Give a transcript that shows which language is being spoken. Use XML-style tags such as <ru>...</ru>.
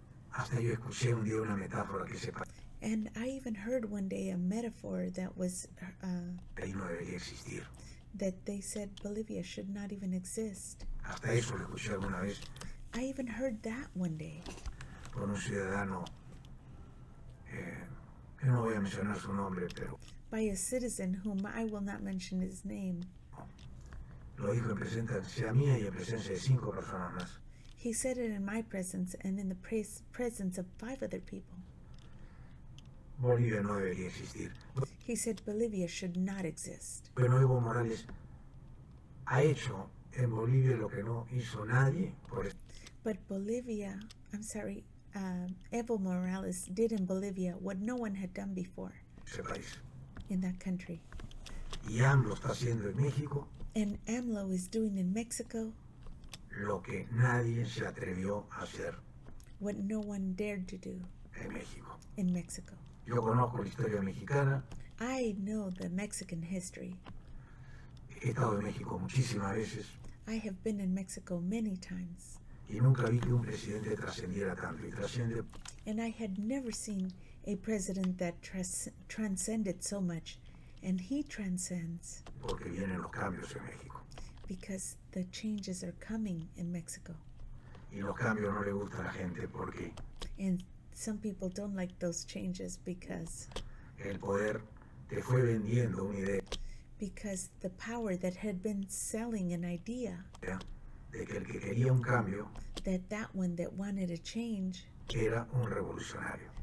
<es>Hasta yo escuché un día una metáfora que se.</es> <en>And I even heard one day a metaphor that was.</en> <es>Ahí no debería existir.</es> <en>That they said Bolivia should not even exist.</en> <es>Hasta eso lo escuché alguna vez.</es> <en>I even heard that one day.</en> <es>Por un ciudadano. Yo no voy a mencionar su nombre, pero.</es> <en>By a citizen whom I will not mention his name.</en> <es>Lo dijo en presencia mía y en presencia de cinco personas más.</es> <en>He said it in my presence and in the presence of five other people.</en> <es>Bolivia no debería existir.</es> <en>He said Bolivia should not exist.</en> <es>Pero Evo Morales ha hecho en Bolivia lo que no hizo nadie.</es> <en>But Bolivia, I'm sorry, Evo Morales did in Bolivia what no one had done before.</en> <es>Ese país.</es> <en>In that country.</en> <es>Y AMLO está haciendo en México.</es> <en>And AMLO is doing in Mexico</en> <es>lo que nadie se atrevió a hacer.</es> <en>What no one dared to do</en> <es>en México.</es> <en>In Mexico.</en> <es>Yo conozco la historia mexicana.</es> <en>I know the Mexican history.</en> <es>He estado en México muchísimas veces.</es> <en>I have been in Mexico many times.</en> <es>Y nunca vi que un presidente trascendiera tanto y trasciende.</es> <en>And I had never seen a president that transcended so much. And he transcends.</en> <es>Porque vienen los cambios en México.</es> <en>Because the changes are coming in Mexico.</en> <es>Y los cambios no le gusta a la gente porque.</es> <en>And some people don't like those changes because.</en> <es>El poder te fue vendiendo una idea.</es> <en>Because the power that had been selling an idea.</en> <es>De que el que quería un cambio.</es> <en>That one that wanted a change.</en> <es>Era un revolucionario.</es>